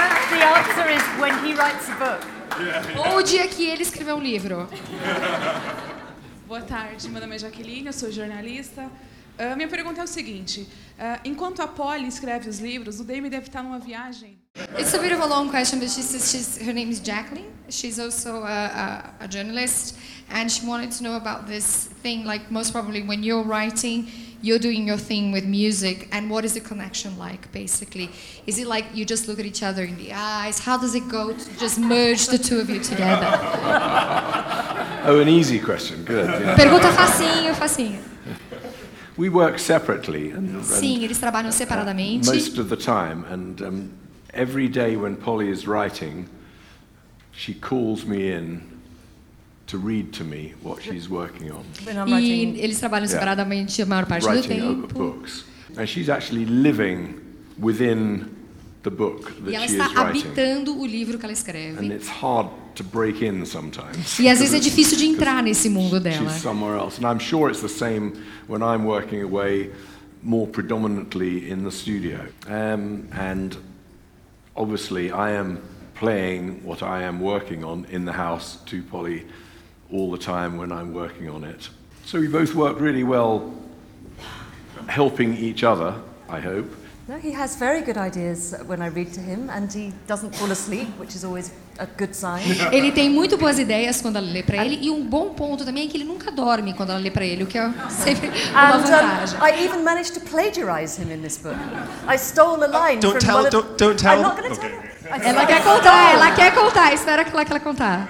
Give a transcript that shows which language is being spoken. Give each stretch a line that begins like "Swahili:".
English: The answer is when he writes a book.
Portuguese: Yeah. Ou o dia que ele escreveu livro. Boa tarde, meu nome é Jaqueline, eu sou jornalista. Minha pergunta é o seguinte, enquanto a Polly escreve os livros, o Damien deve estar numa viagem.
English: It's a bit of a long question, but she says her name is Jacqueline. She's also a journalist, and she wanted to know about this thing, like most probably when you're writing, you're doing your thing with music, and what is the connection like, basically? Is it like you just look at each other in the eyes? How does it go to just merge the two of you together? Oh, an easy question. Good.
Portuguese: Pergunta facinho, facinho.
English: We work separately. And,
Portuguese: sim, eles trabalham separadamente.
English: Most of the time, and every day when Polly is writing, she calls me in to read to me what she's working on.
Portuguese: E eles trabalham separadamente a maior parte do tempo.
English: And she's actually living within the book that
Portuguese: E ela está habitando o livro que ela escreve.
English: And it's hard to break in sometimes.
Portuguese: E às vezes é difícil de entrar nesse mundo dela.
English: She's somewhere else. And I'm sure it's the same when I'm working away more predominantly in the studio. And obviously I am playing what I am working on in the house to Polly all the time when I'm working on it. So we both work really well helping each other, I hope. No, he has very good ideas when I read to him, and he doesn't fall asleep, which is always a good sign.
Portuguese: Ele tem muito boas ideias quando ela lê para ele, e um bom ponto também é que ele nunca dorme quando ela lê para ele, o que é sempre uma vantagem.
English: I even managed to plagiarize him in this book. I stole a line don't from tell, one of... Don't tell, I'm not going to tell him.
Portuguese: Ela quer contar, ela quer contar, espera que ela contar.